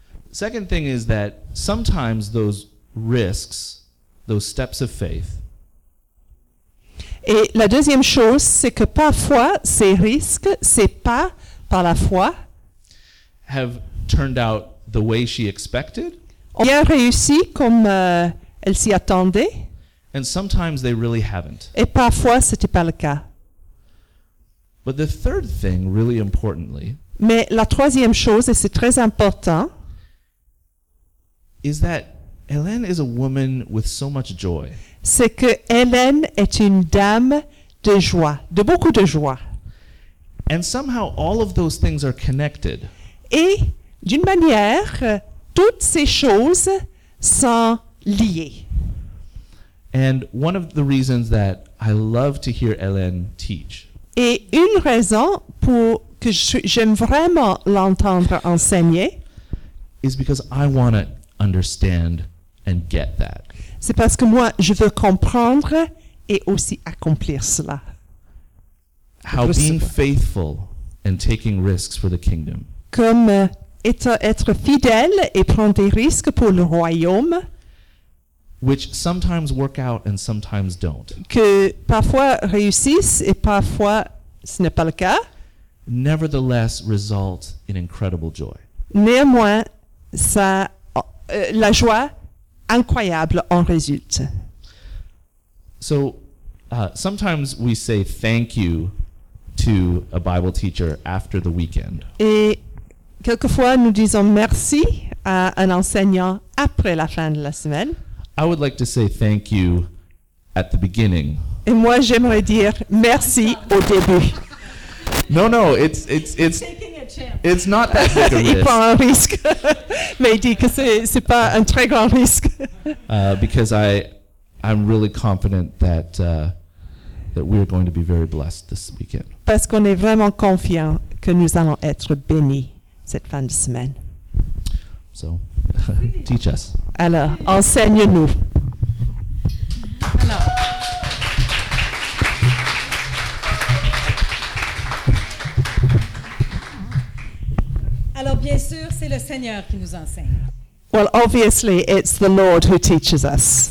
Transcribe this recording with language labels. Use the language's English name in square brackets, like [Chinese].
[English] Second thing is that sometimes those risks, those steps of faith. [French] Et la deuxième chose, c'est que parfois ces risques, ces pas par la foi, [English] have turned out the way she expected. [French] Ont bien réussi comme elle s'y attendait. [English] And sometimes they really haven't. [French] Et parfois, c'était pas le cas. [English] But the third thing, really importantly, [French] mais la troisième chose, et c'est très important, [English] is that Hélène is a woman with so much joy. [French] C'est que Hélène est une dame de joie, de beaucoup de joie. [English] And somehow all of those things are connected. [French] Et d'une manière, toutes ces choses sont liées. [English] And one of the reasons that I love to hear Hélène teach. [French] Et une raison pour que j'aime vraiment l'entendre enseigner [English] is because I want to understand and get that. [French] C'est parce que moi je veux comprendre et aussi accomplir cela. [English] How being faithful and taking risks for the kingdom. [French] comme être fidèle et prendre des risques pour le royaume. [English] Which sometimes work out and sometimes don't. [French] Que parfois réussissent et parfois ce n'est pas le cas. [English] Nevertheless, result in incredible joy. [French] Néanmoins, ça, la joie incroyable en résulte. [English] So, sometimes we say thank you to a Bible teacher after the weekend. [French] Et quelquefois nous disons merci à un enseignant après la fin de la semaine. [English] I would like to say thank you at the beginning. [French] Et moi j'aimerais dire merci au début. [English] No, it's taking a chance. It's not that big a risk. [French] Mais il dit que c'est pas un très grand risque. [English] Because I'm really confident that we are going to be very blessed this weekend. [French] Parce qu'on est vraiment confiant que nous allons être bénis cette fin de semaine. [English] So, teach us. [French] Alors, enseigne-nous. Alors. Alors, bien sûr, c'est le Seigneur qui nous enseigne. [English] Well, obviously, it's the Lord who teaches us.